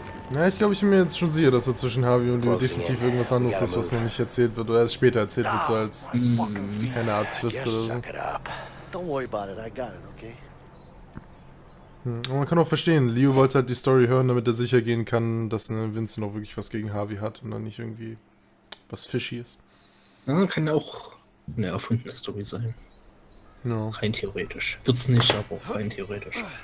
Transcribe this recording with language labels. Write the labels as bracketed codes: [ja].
[de] Na, ich glaube, ich bin mir jetzt schon sicher, dass dazwischen Harvey und ihm definitiv irgendwas anderes ist, was nämlich erzählt wird, oder erst später erzählt wird, so als eine Art Twist oder so. [en] Don't worry about it, I got it, okay? [de] Und man kann auch verstehen, Leo wollte halt die Story hören, damit er sicher gehen kann, dass Vincent auch wirklich was gegen Harvey hat und dann nicht irgendwie was fishy ist. Ja, kann auch eine erfundene Story sein. [en] No. [de] Rein theoretisch. Wird's nicht, aber auch rein theoretisch.